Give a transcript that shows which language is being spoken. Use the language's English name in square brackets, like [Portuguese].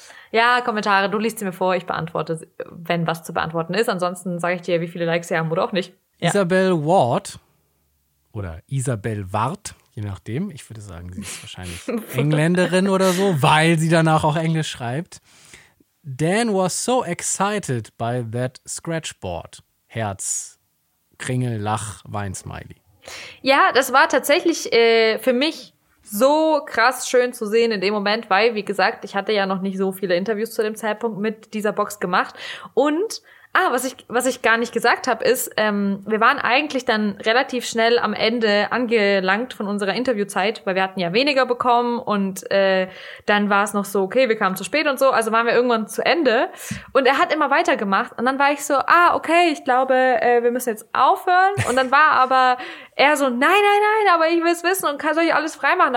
[German] Ja, Kommentare, du liest sie mir vor, ich beantworte, wenn was zu beantworten ist. Ansonsten sage ich dir, wie viele Likes sie haben oder auch nicht. Ja. Isabel Ward oder Isabel Ward, je nachdem. Ich würde sagen, sie ist wahrscheinlich Engländerin oder so, weil sie danach auch Englisch schreibt. [English] Dan was so excited by that scratchboard. [German] Herz, Kringel, Lach, Weinsmiley. Ja, das war tatsächlich für mich so krass schön zu sehen in dem Moment, weil, wie gesagt, ich hatte ja noch nicht so viele Interviews zu dem Zeitpunkt mit dieser Box gemacht. Und Ah, was ich gar nicht gesagt habe, ist, wir waren eigentlich dann relativ schnell am Ende angelangt von unserer Interviewzeit, weil wir hatten ja weniger bekommen und dann war es noch so, okay, wir kamen zu spät und so, also waren wir irgendwann zu Ende und er hat immer weitergemacht und dann war ich so, ah, okay, ich glaube, wir müssen jetzt aufhören und dann war aber er so, nein, nein, nein, aber ich will es wissen und kann soll ich alles freimachen.